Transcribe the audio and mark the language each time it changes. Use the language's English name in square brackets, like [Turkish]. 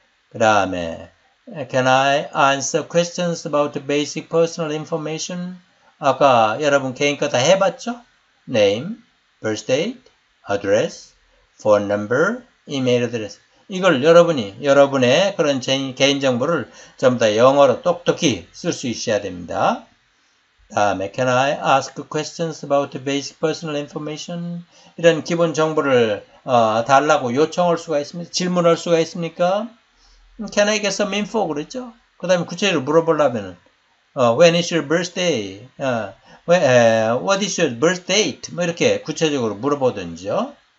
[Korean] 그 다음에, [English] Can I answer questions about basic personal information? [Korean] 아까 여러분 개인 거다 해봤죠? [English] Name, birth date, address, phone number, email address. [Korean] 이걸 여러분의 그런 개인 정보를 전부 다 영어로 똑똑히 쓸수 있어야 됩니다. 다음에, [English] Can I ask questions about basic personal information? [Korean] 이런 기본 정보를 달라고 요청할 수가 있습니다. 질문할 수가 있습니까? [English] Can I get some info? [Korean] 그랬죠? 그 다음에 구체적으로 물어보려면, [English] When is your birthday? What is your birth date? [Korean] 뭐 이렇게 구체적으로 물어보든지요.